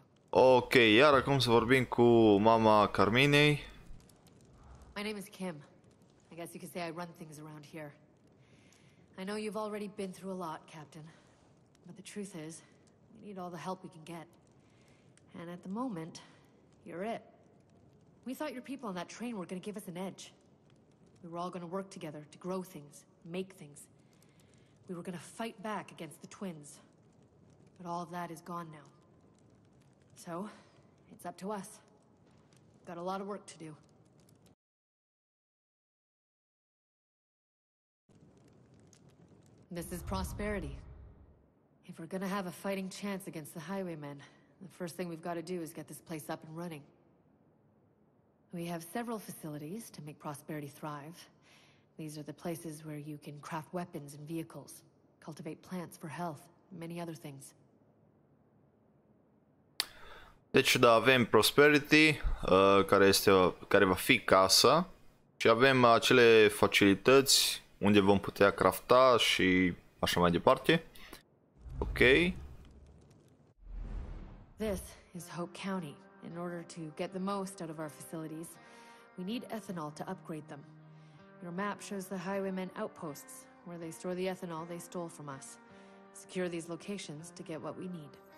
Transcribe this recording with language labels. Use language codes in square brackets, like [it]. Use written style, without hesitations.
[ro] Ok, iar acum să vorbim cu mama Carminei. [en] My name is Kim. I guess you could say I run things around here. I know you've already been through a lot, Captain. But the truth is, we need all the help we can get. And at the moment, you're it. We thought your people on that train were going to give us an edge. We were all going to work together to grow things, make things. We were going to fight back against the twins. But all of that is gone now. So, it's up to us. Got a lot of work to do. This is Prosperity. If we're gonna have a fighting chance against the Highwaymen, the first thing we've got to do is get this place up and running. We have several facilities to make Prosperity thrive. These are the places where you can craft weapons and vehicles, cultivate plants for health, and many other things. [ro] Deci da, avem Prosperity, care va fi casa, și avem acele facilități unde vom putea crafta și așa mai departe. Ok. [en] This is Hope County. In order to get the most out of our facilities, we need ethanol to upgrade them. Your map shows the highwaymen outposts, where they store the ethanol they stole from us. Secure these locations to get what we need.